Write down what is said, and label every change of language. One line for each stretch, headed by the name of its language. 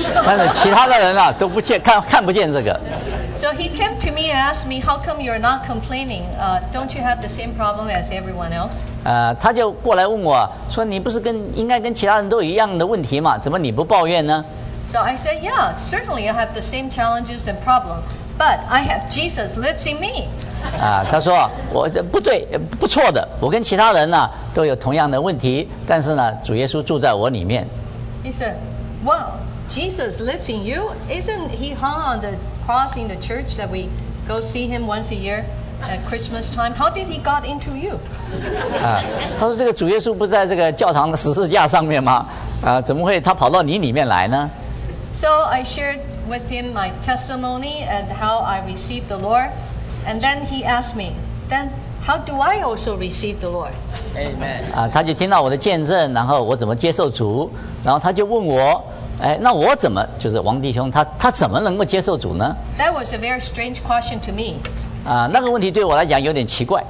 Chinese: 但是其他的人都不见看不见这个。
English: So he came to me and asked me, "How come you're not complaining? Don't you have the same problem as everyone else?"
Chinese: 他就过来问我说，你不是应该跟其他人都一样的问题吗？怎么你不抱怨呢？
English: So I said, "Yeah, certainly I have the same challenges and problem, but I have Jesus lives in me."
Chinese: 他说我不对，不错的，我跟其他人呢都有同样的问题，但是呢，主耶稣住在我里面。
English: He said, "Wow, Jesus lives in you. Isn't he hung on the cross in the church that we go see him once a year at Christmas time? How did he got into you?"
Chinese: 他说这个主耶稣不在这个教堂的十字架上面吗？怎么会他跑到你里面来呢？
English: So I shared with him my testimony and how I received the Lord, and then he asked me, "Then how do I also receive the Lord?" Amen.
Chinese: 他就听到我的见证，然后我怎么接受主。然后他就问我，那我怎么就是王弟兄他怎么能够接受主呢？
English: That was a very strange question to me.
Chinese: 那个问题对我来讲有点奇怪。